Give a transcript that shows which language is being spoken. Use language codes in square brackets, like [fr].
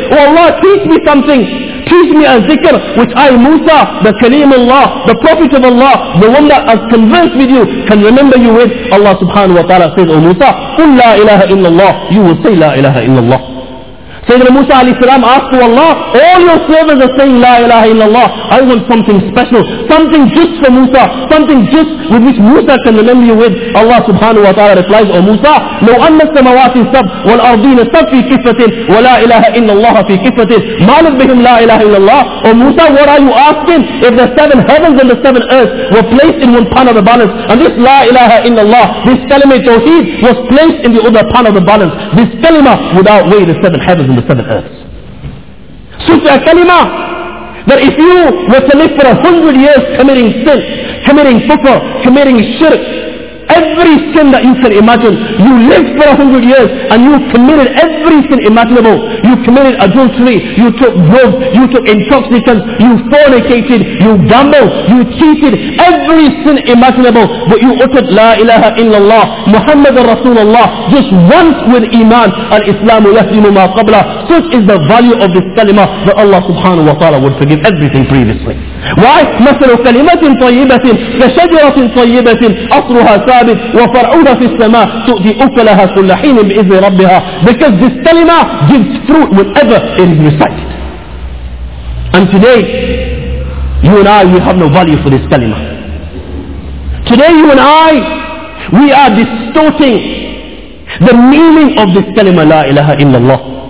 [en] O Allah, teach me something. Teach me a zikr which I, Musa, the Kaleem Allah, the Prophet of Allah, the one that has conversed with you, can remember you with. Allah subhanahu wa ta'ala says, "O Musa, qul la ilaha illallah." You will say, "La ilaha illallah." Sayyidina Musa alayhi salam asked to Allah, all your servants are saying La ilaha illallah. I want something special, something just for Musa, something just with which Musa can remember you with. Allah subhanahu wa ta'ala replies, O Musa, [ar] لو أن السماوات سب والأرضين سب في كفة ولا إله إلا الله في كفة ما لبهم لا إله إلا الله. [en] O Musa, what are you asking? If the seven heavens and the seven earths were placed in one pan of the balance, and this La ilaha illallah, this kalima tawheed, was placed in the other pan of the balance, this kalima would outweigh the seven heavens and the seven earths. Such a kalima that if you were to live for 100 years committing sin, committing kufr, committing shirk, every sin that you can imagine, you lived for 100 years and you committed every sin imaginable. You committed adultery, you took drugs, you took intoxicants, you fornicated, you gambled, you cheated, every sin imaginable, but you uttered La ilaha illallah, Muhammad Rasulullah, just once with Iman, and Islam yahdimu ma qabla. Such is the value of this kalima that Allah subhanahu wa ta'ala would forgive everything previously. Why? [ar] مثل كلمة طيبة كشجرة طيبة أصلها ثابت وفرعها في السماء تؤتي أكلها كل حين بإذن ربها. [en] Because this kalima gives fruit whenever it is recited. And today, you and I, we have no value for this kalima. Today you and I, we are distorting the meaning of this kalima, La ilaha illallah.